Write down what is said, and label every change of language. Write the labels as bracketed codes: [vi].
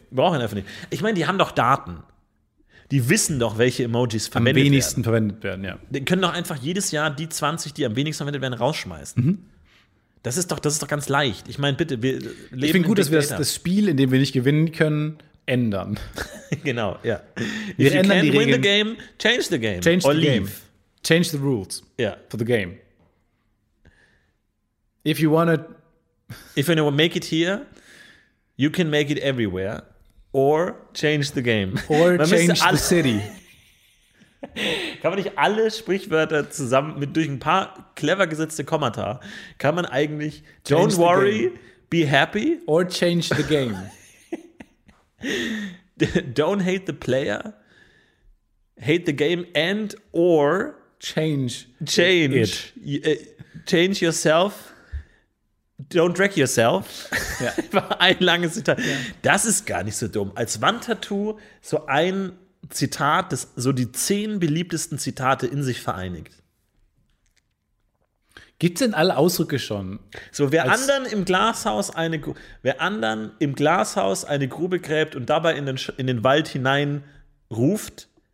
[de] Brauchen wir einfach nicht. Ich meine, die haben doch Daten. Die wissen doch, welche Emojis verwendet werden. Am wenigsten verwendet werden, ja. Die können doch einfach jedes Jahr die 20, die am wenigsten verwendet werden, rausschmeißen. Mhm. Das ist doch ganz leicht. Ich meine, bitte, wir leben. Ich finde gut, dass wir das Spiel, in dem wir nicht gewinnen können, ändern. Genau, ja. Wir ändern die Regeln. [en] If you can't win the game, change the game. Change the game. Change the rules. Yeah. For the game. If you want to. If you want to make it here. You can make it everywhere or change the game. Or man change the city. [de] Kann man nicht alle Sprichwörter zusammen mit durch ein paar clever gesetzte Kommata, kann man eigentlich [en] change don't worry, game. Be happy or change the game. Don't hate the player, hate the game and or change yourself, don't wreck yourself. [de] Ja. Ein langes Zitat. Ja. Das ist gar nicht so dumm. Als Wandtattoo so ein Zitat, das so die 10 beliebtesten Zitate in sich vereinigt. Gibt es denn alle Ausdrücke schon? So, wer anderen im Glashaus eine Grube gräbt und dabei in den Wald hinein ruft,